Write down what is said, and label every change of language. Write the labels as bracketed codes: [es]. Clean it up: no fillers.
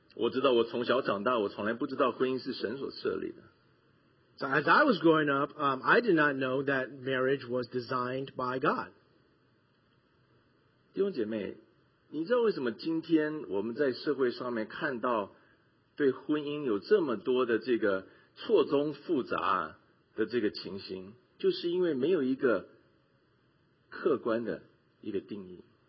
[zh] 我知道我从小长大，我从来不知道婚姻是神所设立的。 [en] So as I was growing up, I did not know that marriage was designed by God. [zh] 弟兄姐妹，你知道为什么今天我们在社会上面看到对婚姻有这么多的这个错综复杂的这个情形，就是因为没有一个客观的一个定义。